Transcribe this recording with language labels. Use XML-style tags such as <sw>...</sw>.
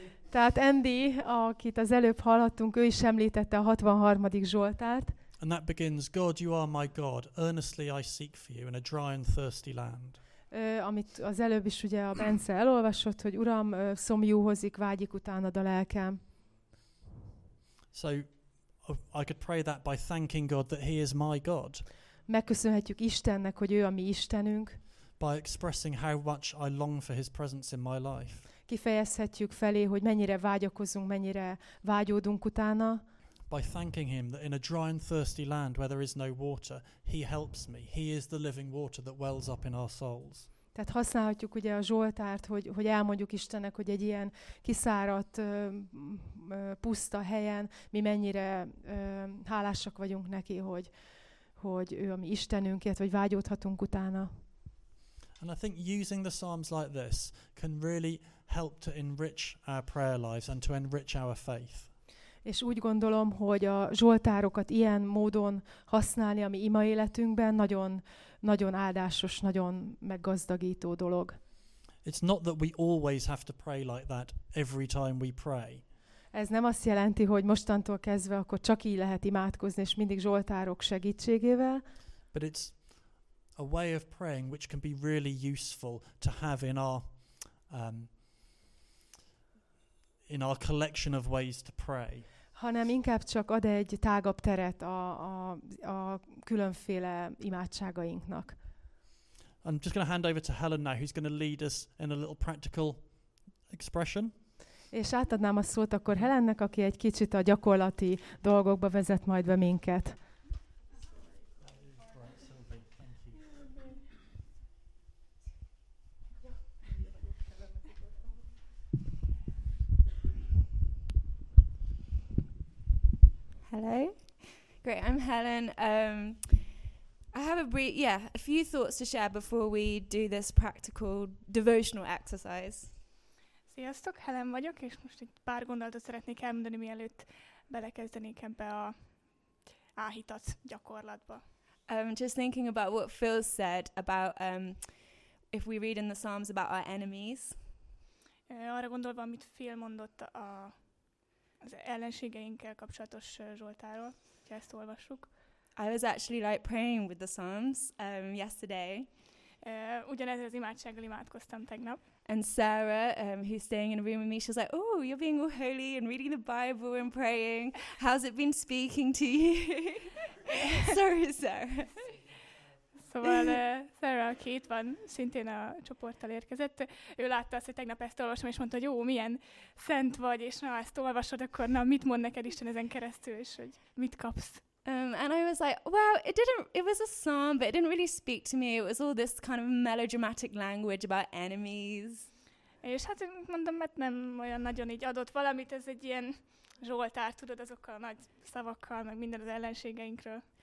<hu>Tehát Andy, akit az előbb hallottunk, ő is említette a 63. Zsoltárt.</hu> <en>And that begins, God, you are my God. Earnestly I seek for you in a dry and thirsty land.</en> <hu>Amit az előbb is ugye a Bence elolvasott, hogy Uram, szomjúhozik, vágyik utánad a lelkem.</hu> <en>So I could pray that by thanking God that he is my God.</en> <hu>Megköszönhetjük Istennek, hogy ő a mi Istenünk.</hu> <en>By expressing how much I long for his presence in my life.</en> <hu>Kifejezhetjük felé, hogy mennyire vágyakozunk, mennyire vágyódunk utána.</hu> <en>By thanking him that in a dry and thirsty land where there is no water, he helps me. He is the living water that wells up in our souls.</en> <hu>Tehát használhatjuk ugye a Zsoltárt, hogy elmondjuk Istennek, hogy egy ilyen kiszáradt, puszta helyen mi mennyire hálásak vagyunk neki, hogy ő a mi Istenünk, illetve hogy vágyódhatunk utána.</hu> <en>And I think using the Psalms like this can really help to enrich our prayer lives and to enrich our faith.</en> <hu>És úgy gondolom, hogy a Zsoltárokat ilyen módon használni a mi ima életünkben nagyon, nagyon áldásos, nagyon meggazdagító dolog.</hu> <en>It's not that we always have to pray like that every time we pray.</en> <hu>Ez nem azt jelenti, hogy mostantól kezdve akkor csak így lehet imádkozni, és mindig Zsoltárok segítségével.</hu> <en>But it's a way of praying which can be really useful to have in our in our collection of ways to pray.</en> <hu>Hanem inkább csak ad egy tágabb teret a különféle imádságainknak.</hu> <en>I'm just going to hand over to Helen now, who's going to lead us in a little practical expression.</en> <hu>És átadnám a szót akkor Helennek, aki egy kicsit a gyakorlati dolgokba vezet majd be minket.</hu> <en>Hello. Great, I'm Helen. I have a few thoughts to share before we do this practical devotional exercise.</en> <hu>Sziasztok, Helen vagyok, és most egy pár gondolatot szeretnék elmondani, mielőtt belekezdenék ebbe a áhítat gyakorlatba.</hu> <en>Just thinking about what Phil said about if we read in the Psalms about our enemies.</en> <hu>Arra gondolva, amit Phil mondott az ellenségeinkkel kapcsolatos Zsoltáról, hogyha ezt olvassuk.</hu> <en>I was actually like praying with the Psalms yesterday.</en> <hu>Ugyanezzel az imádsággal imádkoztam tegnap.</hu> <en>And Sarah, who's staying in a room with me, she was like, oh, you're being all holy and reading the Bible and praying. How's it been speaking to you? Sorry, Sarah.</en> <hu>Szóval Sarah, aki itt van, szintén a csoporttal érkezett, ő látta azt, hogy tegnap ezt olvasom, és mondta, hogy jó, milyen szent vagy, és na, ezt olvasod, akkor na, mit mond neked Isten ezen keresztül, és hogy mit kapsz?</hu> <en>And I was like, well, it was a psalm, but it didn't really speak to me. It was all this kind of melodramatic language about enemies.</en> <hu>És hát mondom, mert nem olyan nagyon így adott valamit, ez egy ilyen Zsoltár, tudod, azokkal a nagy szavakkal, meg minden az ellenségeinkről.</hu>